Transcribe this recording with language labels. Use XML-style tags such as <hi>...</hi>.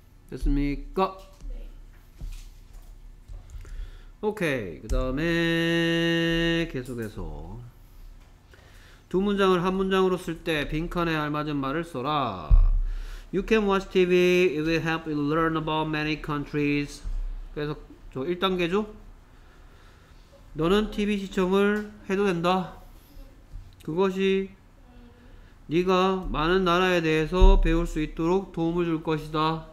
<ko>됐습니까? 네. 오케이. 그 다음에 계속해서 두 문장을 한 문장으로 쓸 때 빈칸에 알맞은 말을 써라.</ko> <en>You can watch TV. It will help you learn about many countries.</en> <ko>그래서 저 1단계죠? 너는 TV 시청을 해도 된다. 그것이 네가 많은 나라에 대해서 배울 수 있도록 도움을 줄 것이다.</ko>